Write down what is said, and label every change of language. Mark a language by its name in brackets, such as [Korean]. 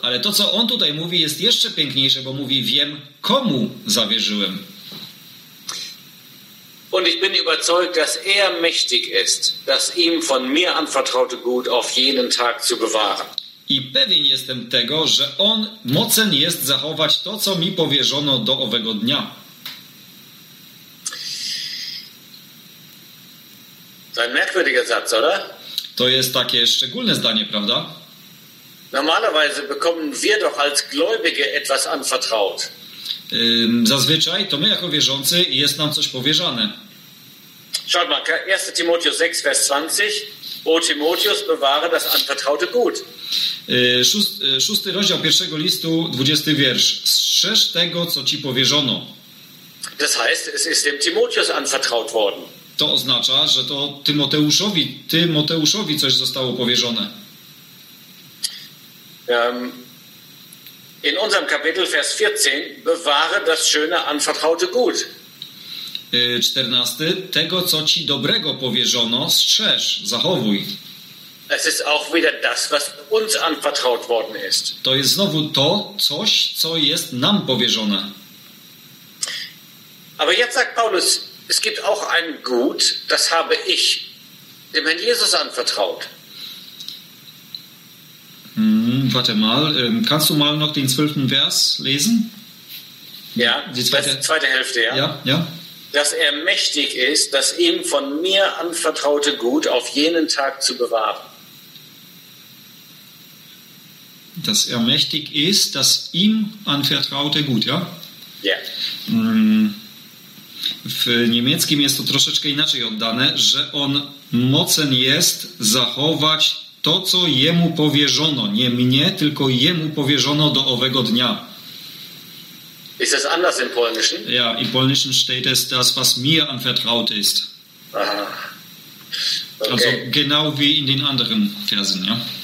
[Polish] Ale to, co on tutaj mówi, jest jeszcze piękniejsze, bo mówi, wiem, komu zawierzyłem. [German] Und ich bin überzeugt, dass er mächtig ist, das ihm von mir anvertraute Gut auf jenen Tag zu bewahren. [Polish] I pewien jestem tego, że on mocen jest zachować to, co mi powierzono do owego dnia. To jest [German] merkwürdiger Satz, oder? [Polish] To jest takie szczególne zdanie, prawda? [German] Normalerweise bekommen wir doch als Gläubige etwas anvertraut. [Polish] Zazwyczaj to my jako wierzący jest nam coś powierzane. [German] Schaut mal, 1. Timotheus 6, Vers 20. O Timotheus, bewahre das anvertraute Gut. [Polish] Szósty rozdział pierwszego listu, 20. wiersz. Strzeż tego, co ci powierzono. [German] Das heißt, es ist dem Timotheus anvertraut worden. [Polish] To oznacza, że to Tymoteuszowi coś zostało powierzone. [German] In unserem Kapitel Vers 14 bewahre das schöne anvertraute Gut. 14. [Polish] Tego, co ci dobrego powierzono, strzeż, zachowuj. [German] Es ist auch wieder das, was uns anvertraut worden ist. [Polish] To jest znowu to coś, co jest nam powierzone. [German] Aber jetzt sagt Paulus, es gibt auch ein Gut, das habe ich dem Herrn Jesus anvertraut. Warte mal, kannst du mal noch den 12. Vers lesen? Ja, die zweite Hälfte, ja. Ja. Dass er mächtig ist, das ihm von mir anvertraute Gut auf jenen Tag zu bewahren. Dass er mächtig ist, das ihm anvertraute Gut, ja? Ja. [Polish] W niemieckim jest to troszeczkę inaczej oddane, że on mocen jest zachować to, co jemu powierzono. Nie mnie, tylko jemu powierzono do owego dnia. [German] Ist das anders im Polnischen? Ja, im Polnischen steht es das, was mir anvertraut ist. Aha. Okay. Also genau wie in den anderen Versen, ja?